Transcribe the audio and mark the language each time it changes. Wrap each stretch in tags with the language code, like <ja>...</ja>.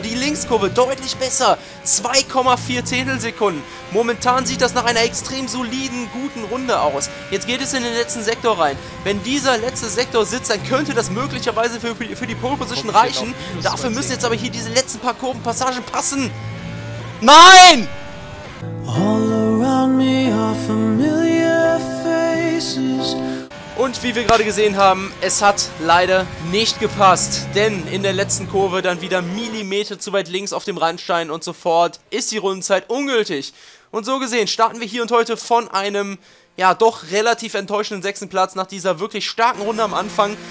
<de>Die Linkskurve deutlich besser. 2,4 Sekunden. Momentan sieht das nach einer extrem soliden, guten Runde aus. Jetzt geht es in den letzten Sektor rein. Wenn dieser letzte Sektor sitzt, dann könnte das möglicherweise für die Pole Position reichen. Dafür müssen jetzt aber hier diese letzten paar Kurvenpassagen passen. Nein!</de> <en>All around me are familiar faces.</en> <de>Und wie wir gerade gesehen haben, es hat leider nicht gepasst. Denn in der letzten Kurve dann wieder Millimeter zu weit links auf dem Randstein und so fort ist die Rundenzeit ungültig. Und so gesehen starten wir hier und heute von einem, ja, doch relativ enttäuschenden sechsten Platz nach dieser wirklich starken Runde am Anfang.</de>